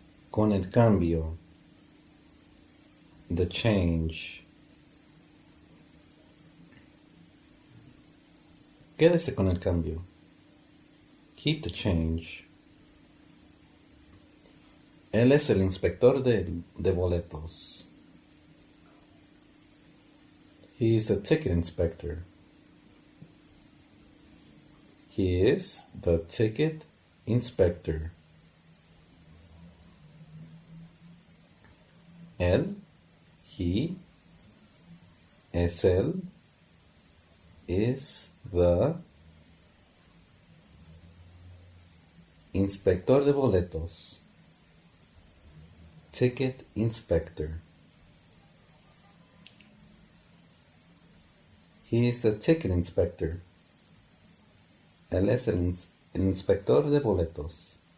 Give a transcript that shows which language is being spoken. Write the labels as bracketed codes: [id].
[es] Con el cambio. [en] The change. [es] Quédese con el cambio. [en] Keep the change. [es] Él es el inspector de boletos. [en] He is the ticket inspector. He is the ticket inspector. [es] Él, [en] he, [es] es él, [en] is the inspector [es] de boletos. [en] Ticket inspector. He is the ticket inspector. [es] Él es el inspector de boletos.